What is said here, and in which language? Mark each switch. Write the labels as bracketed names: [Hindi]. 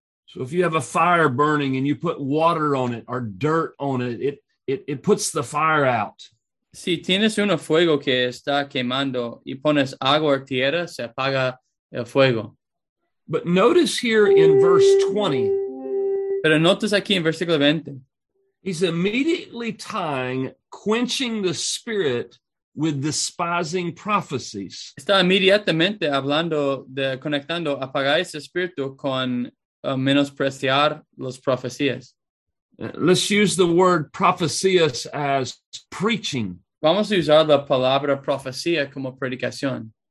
[English] So if you have a fire burning and you put water on it or dirt on it, it puts the fire out. [Spanish] Si tienes un fuego que está quemando y pones agua o tierra, se apaga el fuego. [English] But notice here in verse 20. [Spanish] Pero notas aquí en versículo 20. [English] He's immediately tying quenching the Spirit with despising prophecies. [Spanish] Está inmediatamente hablando de conectando apagar ese espíritu con menospreciar las profecías. [English] Let's use the word prophecies as preaching. [Spanish] Vamos a usar la palabra profecía como predicación.